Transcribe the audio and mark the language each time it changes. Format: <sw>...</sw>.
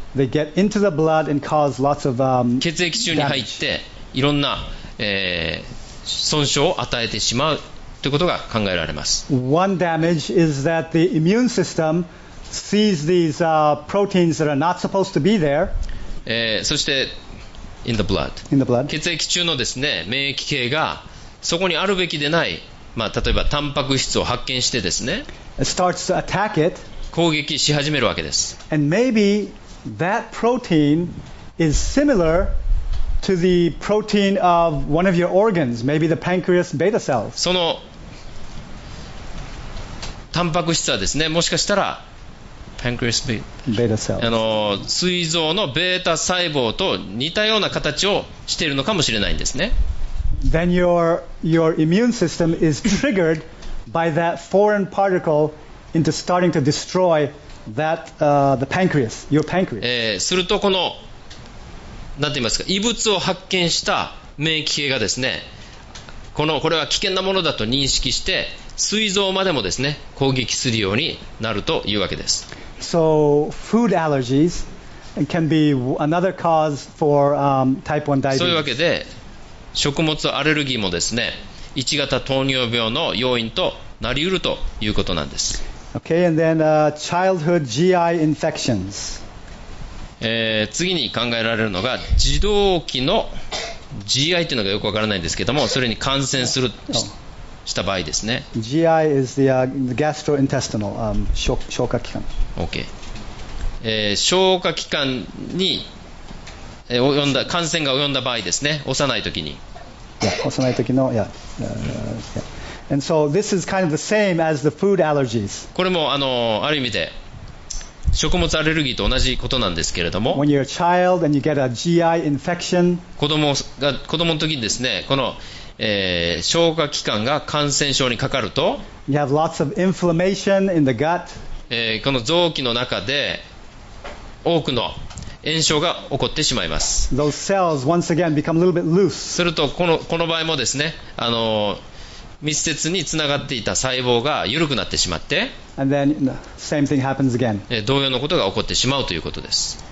<en>they get into the blood and cause lots of,</en> <ja>血液中に入っていろんな、損傷を与えてしまうということが考えられます。</ja> <en>One damage is that the immune system sees these proteins that are not supposed to be there.</en> <ja>そして</ja> <en>in the blood. In the blood.</en> <ja>血液中のですね、免疫系がそこにあるべきでない、まあ例えばタンパク質を発見してですね、</ja> <en>it starts to attack it.</en> <ja>攻撃し始めるわけです。</ja> <en>And maybe that protein is similar. To the protein of one of your organs, maybe the pancreas beta cells.</en> <ja>そのタンパク質はですね、もしかしたら pancreas</ja> <en>beta cells.</en> <ja>膵臓のベータ細胞と似たような形をしているのかもしれないんですね。</ja> <en>Then your immune system is triggered by that foreign particle into starting to destroy that the pancreas, your pancreas.</en> <ja>するとこのなんて言いますか、異物を発見した免疫系がですね、これは危険なものだと認識して膵臓までもですね、攻撃するようになるというわけです。</ja> <en>So food allergies can be another cause for type 1 diabetes.</en> <ja>そういうわけで食物アレルギーもですね、1型糖尿病の要因となりうるということなんです。</ja> <en>Okay, and then childhood GI infections.</en> <ja>次に考えられるのが児童期の GI というのがよくわからないんですけども、それに感染する した場合ですね。</ja> <en>GI is the gastrointestinal</en> <ja>消化器官。 OK、消化器官に、及んだ感染が及んだ場合ですね、幼い時に、</ja> <en>yeah,</en> <ja>幼い時の、</ja> <en>yeah. Yeah. And so this is kind of the same as the food allergies.</en> <ja>これも ある意味で食物アレルギーと同じことなんですけれども、</ja> <en>When you're a child and you get a GI infection,</en> <ja>子供の時にですね、この、消化器官が感染症にかかると、</ja> <en>You have lots of inflammation in the gut.</en> <ja>この臓器の中で多くの炎症が起こってしまいます。</ja> <en>Those cells once again become a little bit loose.</en> <ja>するとこの場合もですね、密接につながっていた細胞が緩くなってしまって、</ja> <en>And then the same thing happens again.</en> <ja>同様のことが起こってしまうということです。</ja>